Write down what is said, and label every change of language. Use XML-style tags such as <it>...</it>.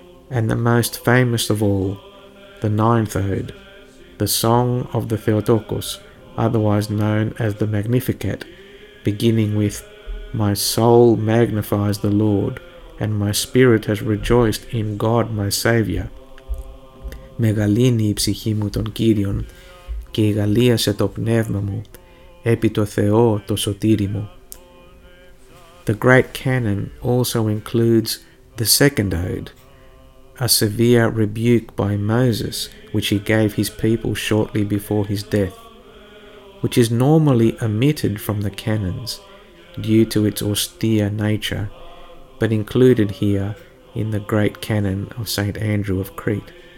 <en>And the most famous of all, the 9th ode, the song of the Theotokos, otherwise known as the Magnificat, beginning with, My soul magnifies the Lord, and my spirit has rejoiced in God my Saviour.</en> <el>Μεγαλύνει η ψυχή μου τον Κύριον, και εγαλίασε το πνεύμα μου, επί το Θεό το σωτήρι μου.</el> <en>The Great Canon also includes the 2nd ode, a severe rebuke by Moses, which he gave his people shortly before his death, which is normally omitted from the canons due to its austere nature, but included here in the Great Canon of St. Andrew of Crete.</en>